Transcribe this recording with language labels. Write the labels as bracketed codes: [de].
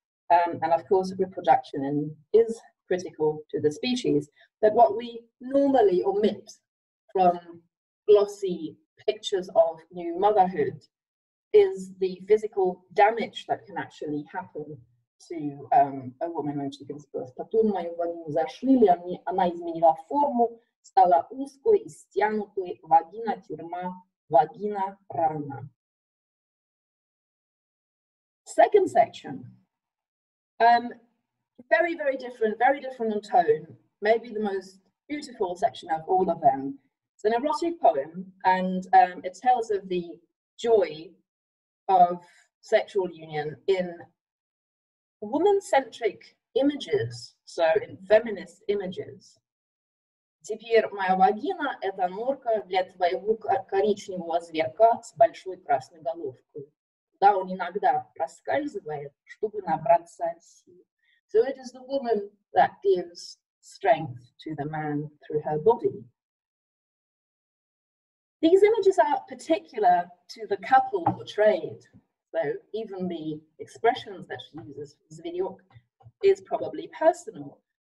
[en] And of course, reproduction is critical to the species. But what we normally omit from glossy pictures of new motherhood is the physical damage that can actually happen to a woman when she gives birth. [ru] Потом мою вагину зашили, она изменила форму, стала узкой и стянутой, вагина тюрьма, вагина рана. [en] Second section. Very, very different, in tone. Maybe the most beautiful section of all of them. It's an erotic poem, and it tells of the joy of sexual union in woman-centric images, so in feminist images. [ru] Теперь моя вагина – это норка для твоего коричневого зверька с большой красной головкой. Да, он иногда проскальзывает, чтобы набраться сил. [en] So it is the woman that gives strength to the man through her body. These images are particular to the couple portrayed. So even the expressions that she uses, Zvinyok, is probably personal.